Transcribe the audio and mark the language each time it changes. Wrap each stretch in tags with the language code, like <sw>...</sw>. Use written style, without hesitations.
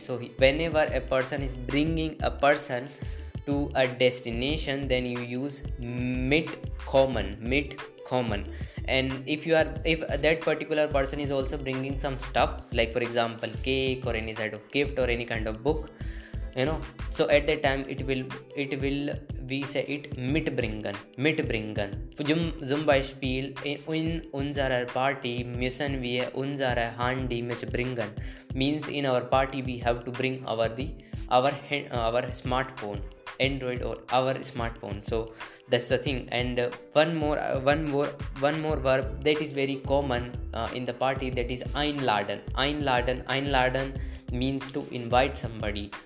<en>So whenever a person is bringing a person to a destination, then you use mitkommen.</en> <de>Mitkommen.</de> <en>And if that particular person is also bringing some stuff, like for example cake or any sort of gift or any kind of book, you know, so at that time it will we say it mitbringen.</en> <de>Mitbringen. Zum Beispiel, in unserer Party müssen wir unsere Handy mitbringen.</de> <en>Means in our party we have to bring our smartphone, Android or our smartphone. So that's the thing. And one more verb that is very common in the party, that is einladen. Einladen. Einladen means to invite somebody.</en>